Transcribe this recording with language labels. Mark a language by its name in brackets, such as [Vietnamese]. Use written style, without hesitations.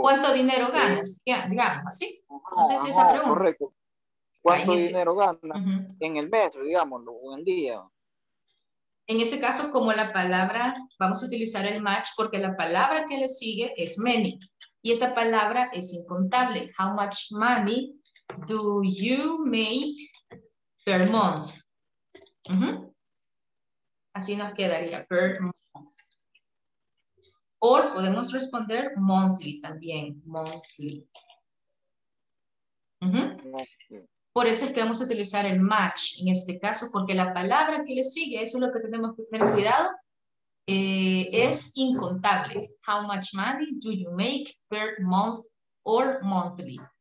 [Spanish] ¿Cuánto dinero ganas? Digamos, ¿sí? No sé si esa pregunta. Correcto. ¿Cuánto dinero ganas en el mes, digámoslo, o en día? En ese caso, como la palabra, vamos a utilizar el much porque la palabra que le sigue es many. Y esa palabra es incontable. [English] How much money do you make per month? [Spanish] Así nos quedaría, [English] per month. [Spanish] O podemos responder monthly también, monthly. Por eso es que vamos a utilizar el much en este caso, porque la palabra que le sigue, eso es lo que tenemos que tener cuidado, es incontable. [English] How much money do you make per month or monthly?